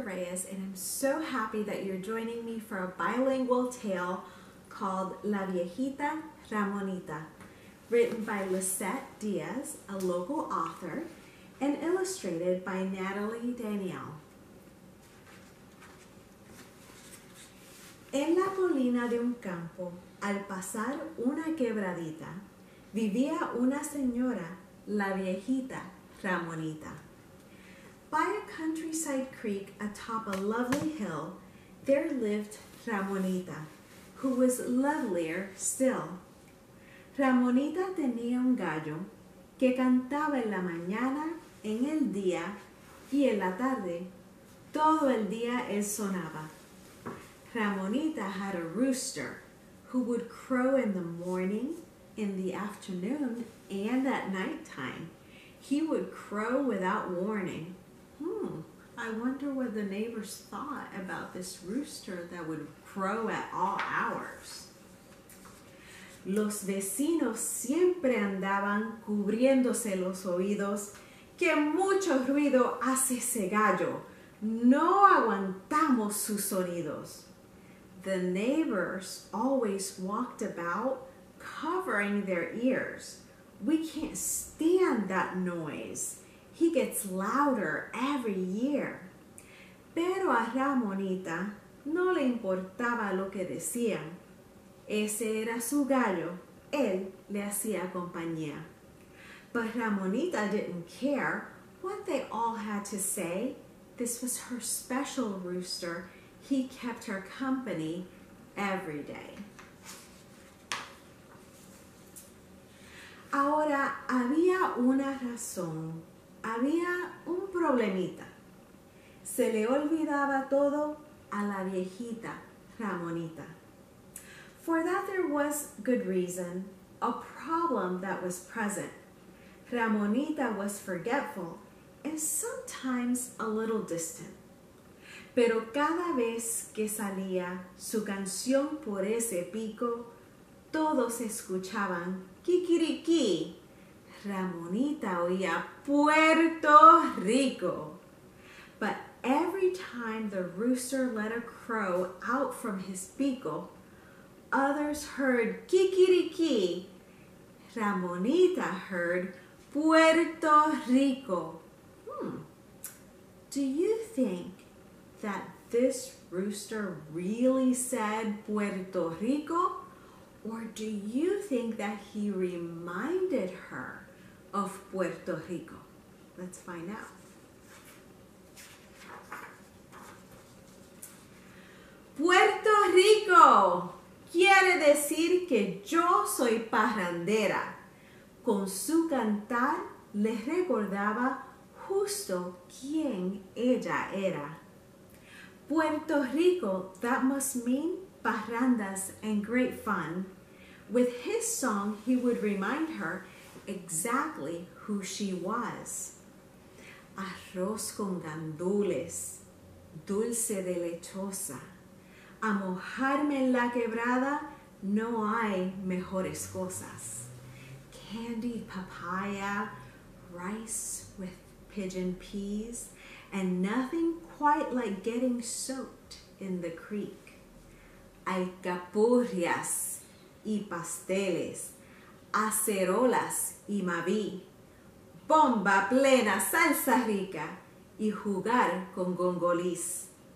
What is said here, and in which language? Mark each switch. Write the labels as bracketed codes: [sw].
[en] Reyes, and I'm so happy that you're joining me for a bilingual tale called La Viejita Ramonita, written by Lisette Diaz, a local author, and illustrated by Natalie Danielle. [es] En la colina de un campo, al pasar una quebradita, vivía una señora, la viejita Ramonita. [en] By a countryside creek atop a lovely hill, there lived Ramonita, who was lovelier still. [es] Ramonita tenía un gallo que cantaba en la mañana, en el día y en la tarde. Todo el día él sonaba. [en] Ramonita had a rooster who would crow in the morning, in the afternoon, and at nighttime. He would crow without warning. I wonder what the neighbors thought about this rooster that would crow at all hours. [es] Los vecinos siempre andaban cubriéndose los oídos. ¡Qué mucho ruido hace ese gallo! ¡No aguantamos sus sonidos! [en] The neighbors always walked about covering their ears. We can't stand that noise. He gets louder every year. [es] Pero a Ramonita no le importaba lo que decían. Ese era su gallo. Él le hacía compañía. [en] But Ramonita didn't care what they all had to say. This was her special rooster. He kept her company every day. [es] Ahora había una razón. Había un problemita. Se le olvidaba todo a la viejita Ramonita. [en] For that there was good reason, a problem that was present. Ramonita was forgetful and sometimes a little distant. [es] Pero cada vez que salía su canción por ese pico, todos escuchaban kikiriki. Ramonita oía Puerto Rico. [en] But every time the rooster let a crow out from his pico, others heard kikiriki. Ramonita heard Puerto Rico. Do you think that this rooster really said Puerto Rico? Or do you think that he reminded her of Puerto Rico? Let's find out. [es] Puerto Rico quiere decir que yo soy parrandera. Con su cantar le recordaba justo quién ella era. [en] Puerto Rico, that must mean parrandas and great fun. With his song, he would remind her exactly who she was. [es] Arroz con gandules, dulce de lechosa. A mojarme en la quebrada, no hay mejores cosas. [en] Candied papaya, rice with pigeon peas, and nothing quite like getting soaked in the creek. [es] Alcapurrias y pasteles. Acerolas y mavi, bomba plena, salsa rica, y jugar con gongolís.